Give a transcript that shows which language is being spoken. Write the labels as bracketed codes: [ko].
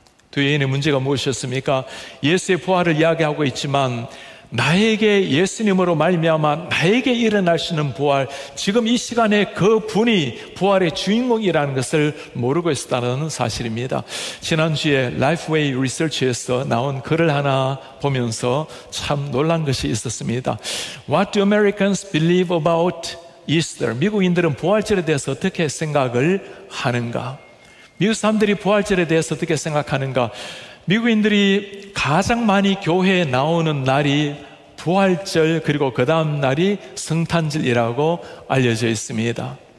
[ko] 두 여인의 문제가 무엇이었습니까? 예수의 부활을 이야기하고 있지만 나에게, 예수님으로 말미암아 나에게 일어날 수 있는 부활, 지금 이 시간에 그 분이 부활의 주인공이라는 것을 모르고 있었다는 사실입니다. 지난주에 라이프웨이 리서치에서 나온 글을 하나 보면서 참 놀란 것이 있었습니다. [en] What do Americans believe about Easter? [ko] 미국인들은 부활절에 대해서 어떻게 생각을 하는가? 미국 사람들이 부활절에 대해서 어떻게 생각하는가? 미국인들이 가장 많이 교회에 나오는 날이 부활절, 그리고 그 다음 날이 성탄절이라고 알려져 있습니다.